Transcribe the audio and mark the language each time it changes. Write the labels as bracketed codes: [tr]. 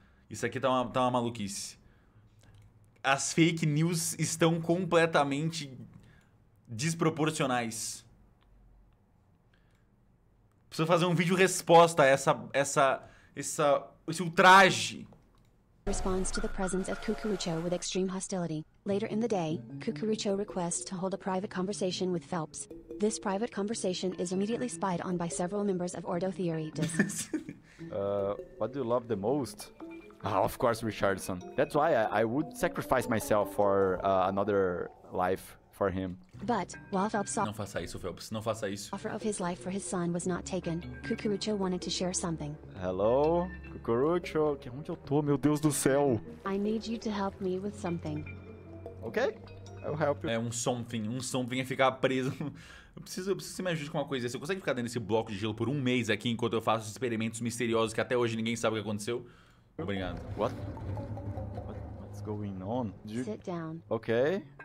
[pt] Isso aqui tá uma maluquice. As fake news estão completamente desproporcionais. Preciso fazer um vídeo resposta a esse ultraje. [en] Responds to the presence of Cucurucho with extreme hostility. Later in the day, Cucurucho requests to hold a private conversation with Phelps. This private conversation is immediately spied on by several members of Ordo Theory. What do you love the most? Of course, Richardson. That's why I would sacrifice myself for another life for him. But while Phelps saw... [pt] Não faça isso, Phelps. Não faça isso. [en] ...offer of his life for his son was not taken, Cucurucho wanted to share something. Hello, Cucurucho. [pt] Que onde eu tô, meu Deus do céu? [en] I need you to help me with something. Okay, I'll help you. [pt] É um something é ficar preso. Eu preciso que você me ajude com uma coisa. Você consegue ficar dentro desse bloco de gelo por um mês aqui enquanto eu faço experimentos misteriosos que até hoje ninguém sabe o que aconteceu? Obrigado. [en] What's going on? Sit down. Okay.